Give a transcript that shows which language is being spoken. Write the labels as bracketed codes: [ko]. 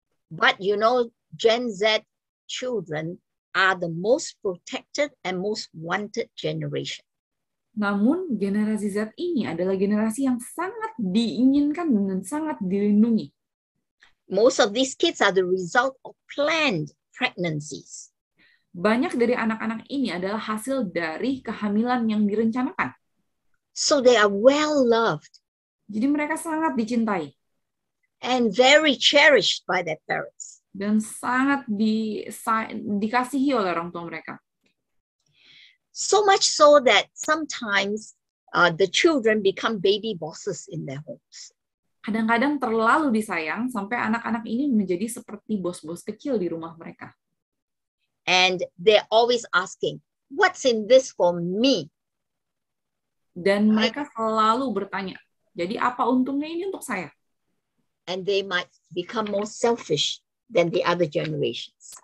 [en] But you know, Gen Z children are the most protected and most wanted generation. [id] Namun generasi Z ini adalah generasi yang sangat diinginkan dan sangat dilindungi. [en] Most of these kids are the result of planned pregnancies. [id] Banyak dari anak-anak ini adalah hasil dari kehamilan yang direncanakan. [en] So they are well loved. [id] Jadi mereka sangat dicintai. [en] And very cherished by their parents. [id] Dan sangat dikasihi oleh orang tua mereka. [en] So much so that sometimes the children become baby bosses in their homes. [id] Kadang-kadang terlalu disayang sampai anak-anak ini menjadi seperti bos-bos kecil di rumah mereka. [en] And they're always asking, "What's in this for me?" [id] Dan mereka selalu bertanya, "Jadi apa untungnya ini untuk saya?" [en] And they might become more selfish than the other generations.